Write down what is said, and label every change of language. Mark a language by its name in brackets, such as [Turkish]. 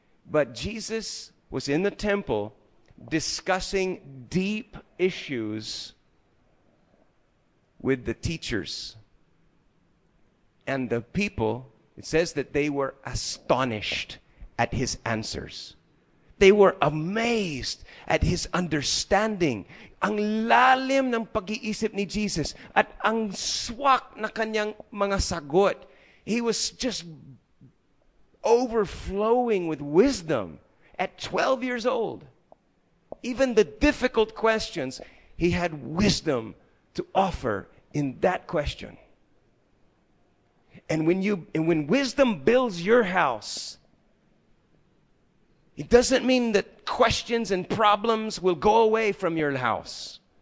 [English] But Jesus was in the temple discussing deep issues with the teachers. And the people, it says that they were astonished at his answers. They were amazed at his understanding. [Filipino] Ang lalim ng pag-iisip ni Jesus at ang swak na kanyang mga sagot. [English] He was just overflowing with wisdom at 12 years old. Even the difficult questions, he had wisdom to offer in that question. And when wisdom builds your house, it doesn't mean that questions and problems will go away from your house.